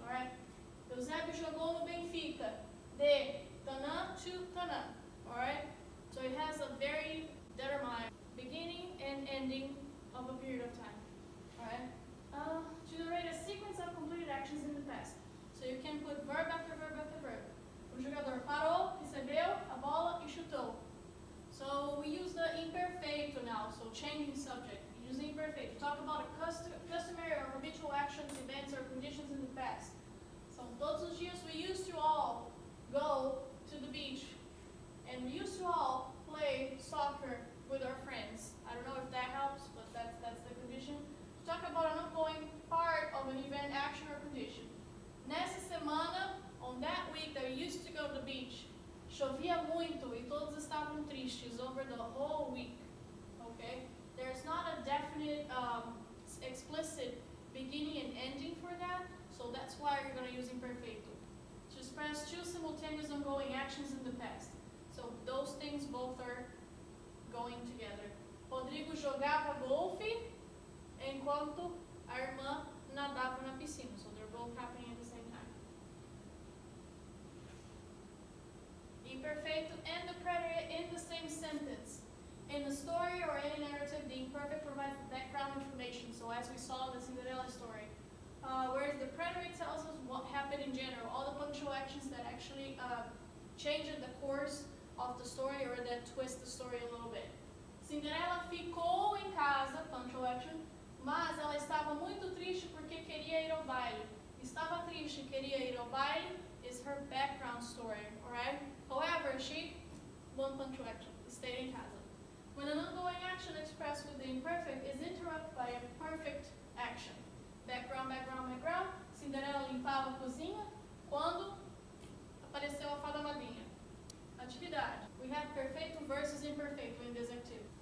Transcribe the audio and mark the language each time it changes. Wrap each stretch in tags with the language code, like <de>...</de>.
<pt>Alright? Eusébio jogou no Benfica. De tanã to tanã. Alright?</pt> <en>So it has a very determined beginning and ending of a period of time. Alright? To generate a sequence of completed actions in the past. So you can put verb after verb after verb.</en> <pt>O jogador parou, recebeu a bola e chutou.</pt> <en>So we use the imperfeito now, so changing subject. We use the imperfeito. Talk about a customary or habitual actions, events, or conditions in the past. So</en> <pt>todos os dias</pt> <en>we used to all go to the beach. And we used to all play soccer with our friends. I don't know if that helps, but that's the condition. Talk about an ongoing part of an event, action, or condition.</en> <pt>Nessa semana,</pt> <en>on that week that we used to go to the beach,</en> <pt>chovia muito e todos estavam tristes</pt> <en>over the whole week. Okay? There's not a definite, explicit beginning and ending for that, so that's why you're going to use imperfeito. To express two simultaneous ongoing actions in the past. So those things both are going together.</en> <pt>Rodrigo jogava golfe enquanto a irmã nadava na piscina.</pt> <en>So they're both happening at the same time. Imperfeito and the preterite in the same sentence. In a story or any narrative, the imperfect provides background information. So as we saw in the Cinderella story. Whereas the preterite tells us what happened in general. All the punctual actions that actually changed the course of the story or that twist the story a little bit.</en> <pt>Cinderella ficou em casa,</pt> <en>punctual action.</en> <pt>Mas ela estava muito triste porque queria ir ao baile. Estava triste, queria ir ao baile</pt> <en>is her background story, alright? However, she, one punctual action, stayed in casa. When an ongoing action expressed with the imperfect is interrupted by a perfect action. Background, background, background.</en> <pt>Cinderella limpava a cozinha quando apareceu a fada madrinha. Atividade.</pt> <en>We have perfeito versus imperfeito in this activity.</en>